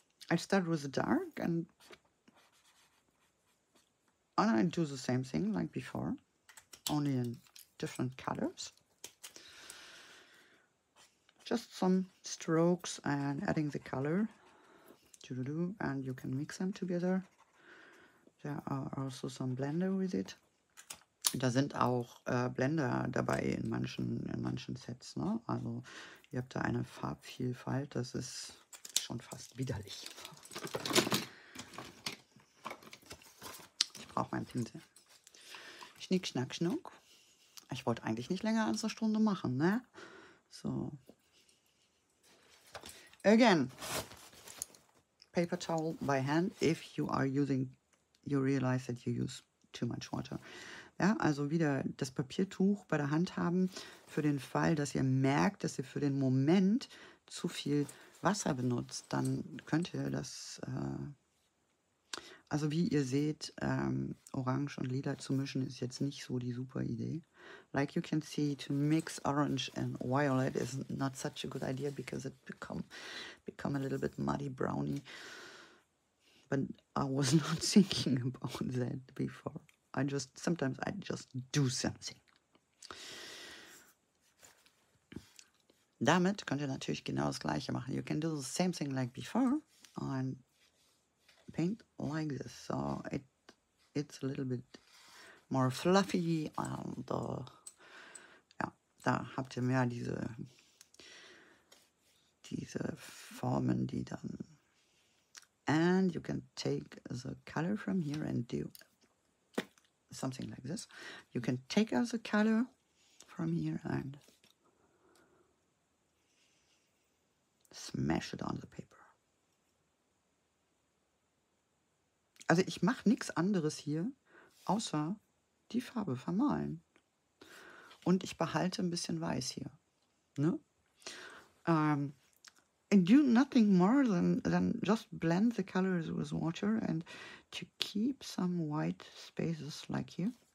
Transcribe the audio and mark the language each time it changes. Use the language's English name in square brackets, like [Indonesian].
[English] I start with the dark and and I do the same thing like before, only in different colors. Just some strokes and adding the color. Do-do-do, and you can mix them together. There are also some blender with it. [German] Da sind auch Blender dabei in manchen Sets. Ne? Also ihr habt da eine Farbvielfalt, das ist schon fast widerlich. Brauche meinen Pinsel. Schnick, schnack, schnuck. Ich wollte eigentlich nicht länger als eine Stunde machen, ne? So. [English] Again. Paper towel by hand, if you are using, you realize that you use too much water. [German] Ja, also wieder das Papiertuch bei der Hand haben, für den Fall, dass ihr merkt, dass ihr für den Moment zu viel Wasser benutzt, dann könnt ihr das... Also wie ihr seht, Orange und Lila zu mischen ist jetzt nicht so die super Idee. [English] Like you can see, to mix orange and violet is not such a good idea because it become a little bit muddy brownie. But I was not thinking about that before. I just do something. [German] Damit könnt ihr natürlich genau das gleiche machen. [English] You can do the same thing like before and paint like this, so it's a little bit more fluffy and [German] ja, da habt ihr mehr diese Formen, die dann, [English] and you can take the color from here and do something like this. You can take out the color from here and smash it on the paper. [German] Also ich mache nichts anderes hier, außer die Farbe vermalen. Und ich behalte ein bisschen Weiß hier. Ne? [English] And do nothing more than just blend the colors with water and to keep some white spaces like here.